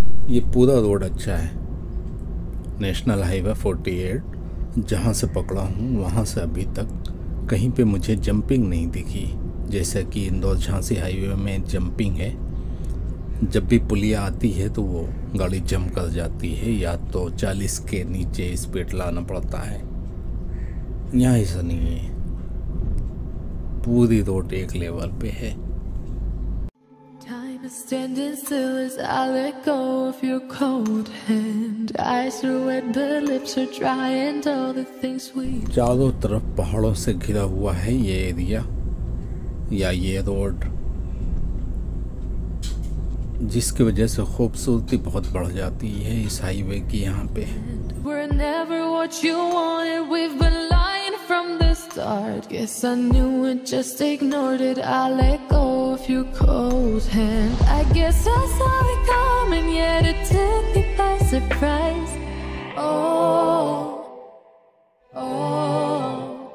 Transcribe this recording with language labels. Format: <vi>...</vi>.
<hi>ये पूरा रोड अच्छा है, नेशनल हाईवे 48 जहाँ से पकड़ा हूँ वहाँ से अभी तक कहीं पे मुझे जंपिंग नहीं दिखी, जैसा कि इंदौर झांसी हाईवे में जंपिंग है। जब भी पुलिया आती है तो वो गाड़ी जंप कर जाती है, या तो 40 के नीचे स्पीड लाना पड़ता है। यहाँ ऐसा नहीं है, पूरी रोड एक लेवल पे है।</hi> <en>Standing still as I let go of your cold hand, eyes are wet, the lips are dry, and all the things we.</en> <hi>चारों तरफ पहाड़ों से घिरा हुआ है ये एरिया या ये रोड, जिसकी वजह से खूबसूरती बहुत बढ़ जाती है इस हाईवे की यहाँ पे।</hi> <en>We're never what you wanted, we've been lying from the start. Guess I knew it, just ignored it. I let go of your cold hand. I guess I saw it coming, yet it took me by surprise. Oh, oh.</en>